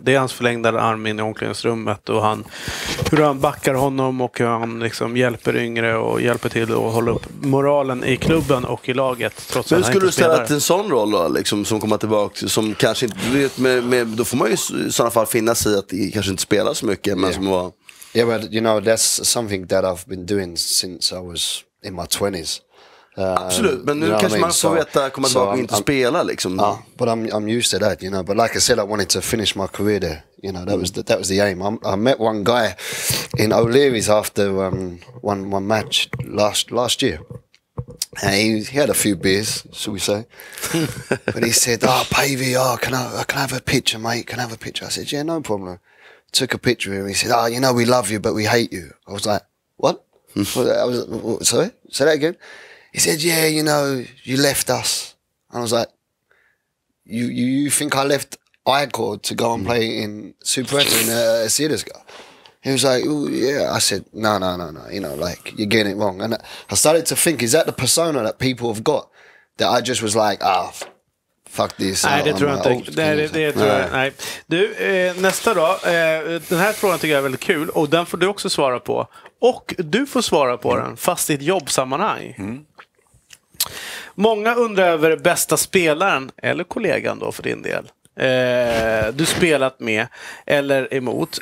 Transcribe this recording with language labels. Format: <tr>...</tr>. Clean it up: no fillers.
<sv>Det är hans förlängda arm in i omklädningsrummet och hur han backar honom och hur han liksom hjälper yngre och hjälper till att hålla upp moralen i klubben och i laget. Trots men hur skulle du ställa till en sån roll då, liksom, som kommer tillbaka, som kanske inte, du vet, då får man ju i sådana fall finna sig att det kanske inte spela så mycket, men som var...</sv> <en>Yeah, but, you know, that's something that I've been doing since I was in my 20s.</en> <sv>Absolut, men nu kanske man får veta att komma tillbaka och inte spela liksom.</sv> <en>But I'm used to that, you know. But like I said, I wanted to finish my career there. You know, that was the aim. I met one guy in O'Leary's after one match last year. And he had a few beers, should we say. But he said, "Oh, Pavey, can I have a picture, mate? Can I have a picture?" I said, "Yeah, no problem." Took a picture of him. He said, "Oh, you know, we love you, but we hate you." I was like, "What?" Sorry, say that again. He said, "Yeah, you know, you left us." I was like, you think I left Icord to go and play in Superettan in Syrianska? He was like, "Ooh, yeah." I said, no, you know, like, you're getting it wrong. And I started to think, is that the persona that people have got? That I just was like, fuck this.</en> <sv>Nej, det tror jag inte. Nej. Du, nästa då. Den här frågan tycker jag är väldigt kul. Och den får du också svara på. Och du får svara på den, fast i ett jobbsammanhang. Många undrar över bästa spelaren, eller kollegan då för din del, du spelat med eller emot.</sv>